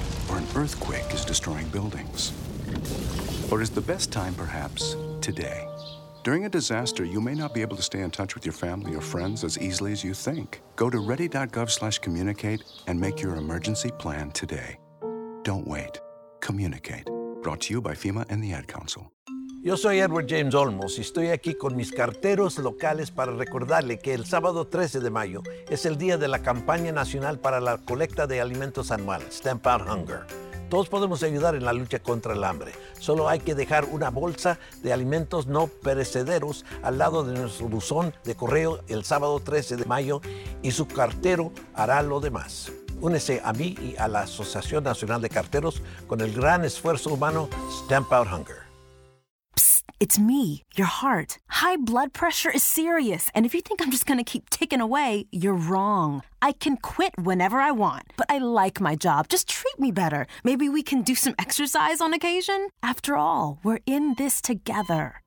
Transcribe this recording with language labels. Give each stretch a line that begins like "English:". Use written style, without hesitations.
English: Or an earthquake is destroying buildings? Or is the best time perhaps today? During a disaster, you may not be able to stay in touch with your family or friends as easily as you think. Go to ready.gov/communicate and make your emergency plan today. Don't wait. Communicate. Brought to you by FEMA and the Ad Council.
Spanish: Yo soy Edward James Olmos y estoy aquí con mis carteros locales para recordarle que el sábado 13 de mayo es el día de la campaña nacional para la colecta de alimentos anual, Stamp Out Hunger. Todos podemos ayudar en la lucha contra el hambre. Solo hay que dejar una bolsa de alimentos no perecederos al lado de nuestro buzón de correo el sábado 13 de mayo y su cartero hará lo demás. Únese a mí y a la Asociación Nacional de Carteros con el gran esfuerzo humano Stamp Out Hunger.
English: It's me, your heart. High blood pressure is serious, and if you think I'm just gonna keep ticking away, you're wrong. I can quit whenever I want, but I like my job. Just treat me better. Maybe we can do some exercise on occasion? After all, we're in this together.